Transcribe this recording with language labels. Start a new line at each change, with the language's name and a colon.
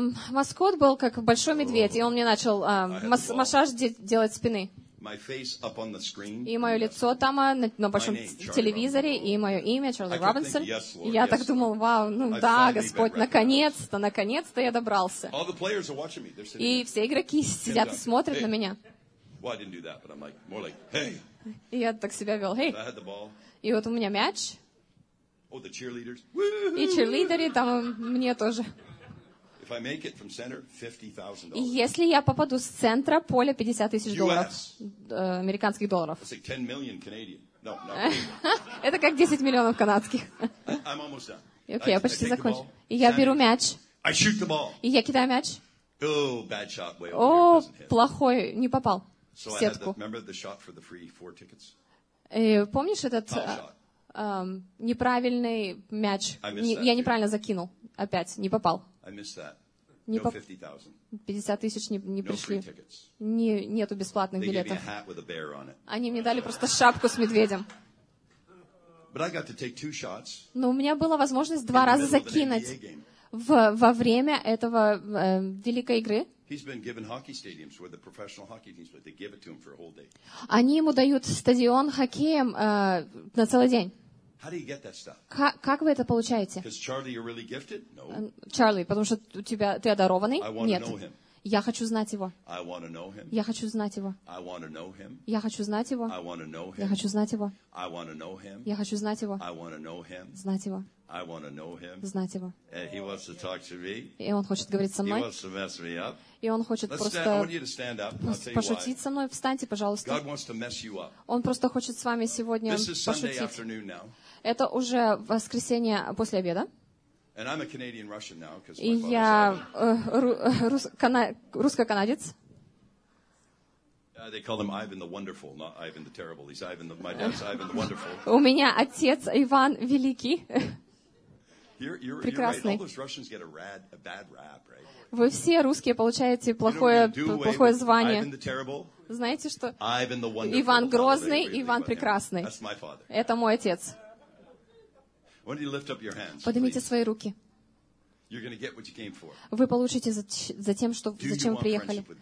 Russian: Маскот был как большой медведь, и он мне начал массаж делать спины.
English: My face up on the screen.
Russian: И мое лицо там на большом телевизоре, и мое имя Чарли Робинсон. Я так думал, вау, ну да, Господь, наконец-то я добрался.
English: All the players are watching me. They're sitting.
Russian: И все игроки сидят и смотрят на меня.
English: Well, I didn't do that, but I'm like, more like, hey.
Russian: И я так себя вел, hey.
English: I had the ball.
Russian: И вот у меня мяч.
English: Oh, the cheerleaders.
Russian: И cheerleaders там мне тоже.
English: If I make it from center, $50,000.
Russian: И если я попаду с центра поля, 50 тысяч долларов, американских долларов.
English: It's like 10 million Canadian. No, no.
Russian: Это как 10 миллионов канадских.
English: I'm almost done.
Russian: Окей, okay, я почти закончу. Я беру мяч.
English: I shoot the ball.
Russian: И я кидаю мяч.
English: Oh, bad shot. Way over.
Russian: Oh, плохой, не попал.
English: So
Russian: в сетку.
English: Remember the shot for the free 4 tickets?
Russian: Помнишь этот неправильный мяч? Я неправильно закинул. Опять не попал.
English: I missed that. No 50,000.
Russian: 50 тысяч не пришли.
English: No free tickets.
Russian: Нету бесплатных билетов.
English: They gave me a hat with a bear on it.
Russian: Они мне дали просто шапку с медведем.
English: But I got to take two shots.
Russian: Но у меня была возможность два раза закинуть во время этого великой игры.
English: He's been given hockey stadiums where the professional hockey teams, but they give it to him for a whole day.
Russian: Они ему дают стадион хоккеем на целый день.
English: How do you get that stuff?
Russian: Как вы это получаете?
English: Because Charlie, you're really gifted? No.
Russian: Charlie, потому что ты одарованный?
English: I want to know him.
Russian: Я хочу знать его.
English: I want to know him.
Russian: Я хочу знать его.
English: I want to know him.
Russian: Я хочу знать его.
English: I want to know him.
Russian: Я хочу знать его.
English: I want to know him.
Russian: Я хочу знать его.
English: I want to know him.
Russian: Знать его.
English: I want to know him.
Russian: Знать его.
English: And he wants to talk to me.
Russian: И он хочет говорить со мной.
English: He wants to mess me up.
Russian: И он хочет просто пошутить со мной. Встаньте, пожалуйста.
English: God wants to mess you up.
Russian: Он просто хочет с вами сегодня пошутить.
English: This is Sunday afternoon now.
Russian: Это уже воскресенье после обеда.
English: And I'm a Canadian Russian now, because my father's Canadian.
Russian: Русско-канадец.
English: They call him Ivan the Wonderful, not Ivan the Terrible. He's Ivan. My dad's Ivan the Wonderful.
Russian: У меня отец Иван Великий.
English: You're
Russian: прекрасный.
English: Right. All those Russians get a bad rap, right?
Russian: Вы все русские получаете плохое звание.
English: Ivan the Terrible.
Russian: Знаете что?
English: Ivan the Wonderful.
Russian: Иван Грозный,
English: really,
Russian: Иван Прекрасный.
English: That's my father.
Russian: Это мой отец.
English: Why don't you lift up your hands?
Russian: Поднимите свои руки. Вы получите за тем, что, зачем вы приехали.